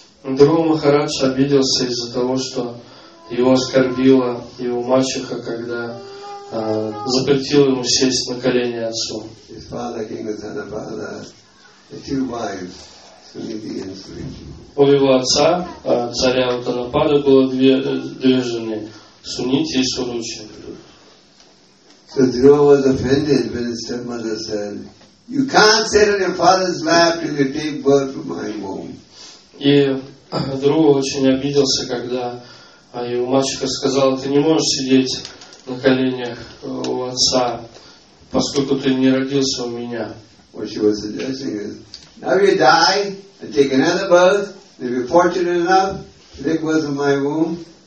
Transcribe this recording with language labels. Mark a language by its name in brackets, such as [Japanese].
[Russian] Guru Maharaj обиделся из-за того, что его оскорбила его мачеха, когда запретил ему сесть на колени отцу. [English] His father, King Uttanapada, the two wives, Suniti and Suriji. [Russian] У его отца, царя Уттанапада, было две жены. Суните и Суручи. [English] So Dhruva was offended when his stepmother said, "You can't sit on your father's lap till you take birth from my womb." [Russian] И Дрова очень обиделся, когда его мачеха сказала, "Ты не можешь сидеть на коленях у отца, поскольку ты не родился у меня." [English] What she was suggesting is, "Now you die and take another birth, and if you're fortunate enough, take birth from my womb."